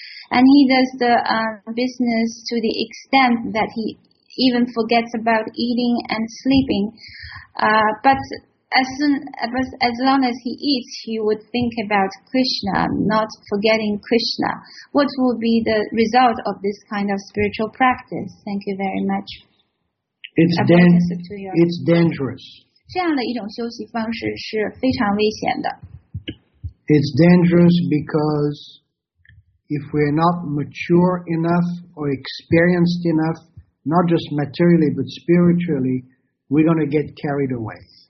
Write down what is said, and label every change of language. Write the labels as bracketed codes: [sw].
[en] And he does the business to the extent that he even forgets about eating and sleeping. But as long as he eats, he would think about Krishna, not forgetting Krishna. What will be the result of this kind of spiritual practice? Thank you very much. It's dangerous. [zh] 这样的一种休息方式是非常危险的。 [en] It's dangerous because if we are not mature enough or experienced enough, not just materially but spiritually, we're going to get carried away.